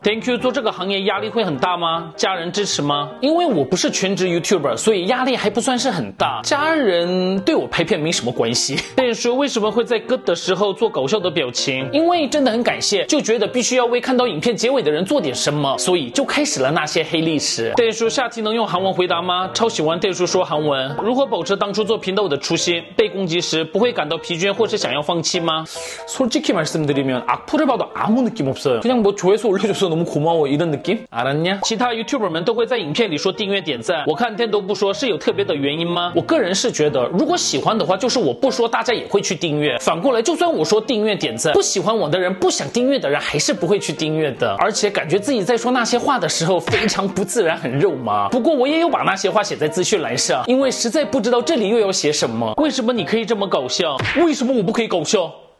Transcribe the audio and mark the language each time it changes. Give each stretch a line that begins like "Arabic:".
English: Thank you
Chinese: 做这个行业压力会很大吗？家人支持吗？因为我不是全职 YouTuber， 所以压力还不算是很大。家人对我拍片没什么关系。Dan 叔为什么会在歌的时候做搞笑的表情？因为真的很感谢，就觉得必须要为看到影片结尾的人做点什么，所以就开始了那些黑历史。Dan 叔下期能用韩文回答吗？超喜欢 Dan 叔说韩文。如何保持当初做频道的初心？被攻击时不会感到疲倦或是想要放弃吗？
Korean: 솔직히 말씀드리면 악플을 봐도 아무 느낌 없어요. 그냥 뭐 조회수 올려줘서 너무 고마워 이런 느낌? 알았냐?
Chinese: 其他 YouTuber们 都会在影片里说订阅点赞，我看天都不说，是有特别的原因吗？我个人是觉得，如果喜欢的话，就是我不说，大家也会去订阅。反过来，就算我说订阅点赞，不喜欢我的人不想订阅的人还是不会去订阅的。而且感觉自己在说那些话的时候非常不自然，很肉麻。不过我也有把那些话写在资讯栏上，因为实在不知道这里又要写什么。为什么你可以这么搞笑？为什么我不可以搞笑？